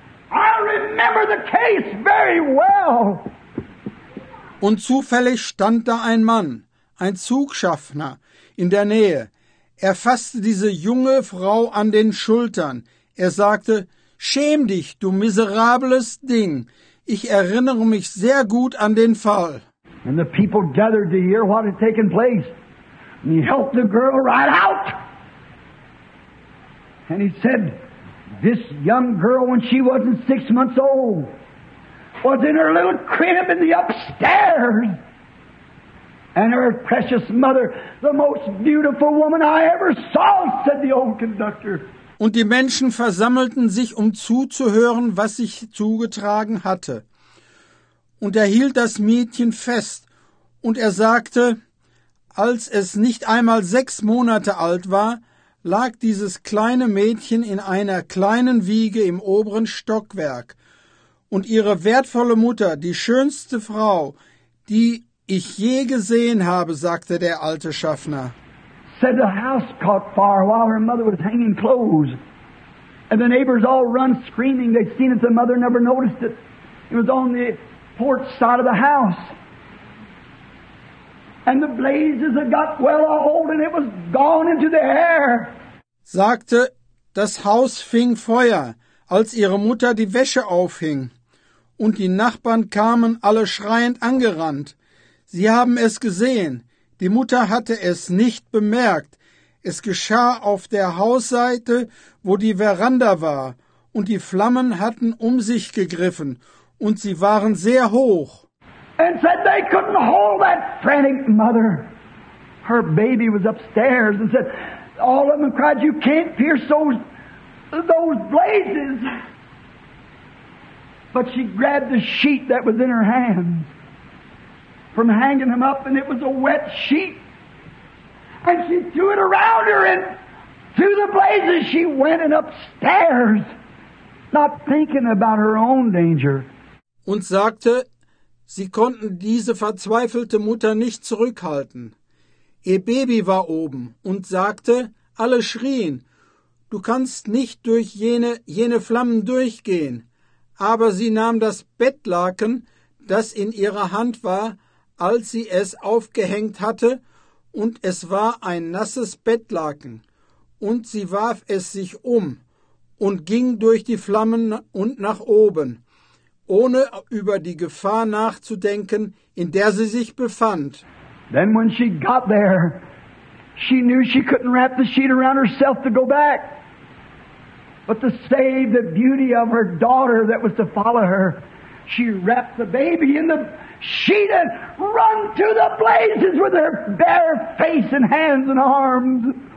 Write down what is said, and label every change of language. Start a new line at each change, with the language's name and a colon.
English: I remember the case very well.
German: Und zufällig stand da ein Mann, ein Zugschaffner, in der Nähe. Er fasste diese junge Frau an den Schultern. Er sagte, schäm dich, du miserables Ding. Ich erinnere mich sehr gut an den Fall.
English: And the people gathered to hear what had taken place. And he helped the girl right out. And he said, this young girl, when she wasn't 6 months old, was in her little crib in the upstairs. And her precious mother, the most beautiful woman I ever saw, said the old conductor.
German: Und die Menschen versammelten sich, um zuzuhören, was sich zugetragen hatte. Und er hielt das Mädchen fest. Und er sagte, als es nicht einmal 6 Monate alt war, lag dieses kleine Mädchen in einer kleinen Wiege im oberen Stockwerk. Und ihre wertvolle Mutter, die schönste Frau, die ich je gesehen habe, sagte der alte Schaffner.
English: Said the house caught fire while her mother was hanging clothes. And the neighbors all run screaming. They'd seen it, the mother never noticed it. It was on the porch side of the house. And the blazes had got well old and it was gone into the air.
German: Sagte, das Haus fing Feuer, als ihre Mutter die Wäsche aufhing. Und die Nachbarn kamen alle schreiend angerannt. Sie haben es gesehen. Die Mutter hatte es nicht bemerkt. Es geschah auf der Hausseite, wo die Veranda war. Und die Flammen hatten um sich gegriffen. Und sie waren sehr hoch.
English: And said they couldn't hold that frantic mother. Her baby was upstairs and said, all of them cried, you can't pierce those blazes. But she grabbed the sheet that was in her hands from hanging him up, and it was a wet sheet. And she threw it around her, and through the blazes she went and upstairs, not thinking about her own danger.
German: Und sagte, sie konnten diese verzweifelte Mutter nicht zurückhalten. Ihr Baby war oben und sagte, alle schrien, du kannst nicht durch jene Flammen durchgehen. Aber sie nahm das Bettlaken, das in ihrer Hand war, als sie es aufgehängt hatte, und es war ein nasses Bettlaken. Und sie warf es sich um und ging durch die Flammen und nach oben, ohne über die Gefahr nachzudenken, in der sie sich befand.
English: Then when she got there, she knew she couldn't wrap the sheet around herself to go back. But to save the beauty of her daughter that was to follow her, she wrapped the baby in the sheet and run to the blazes with her bare face and hands and arms.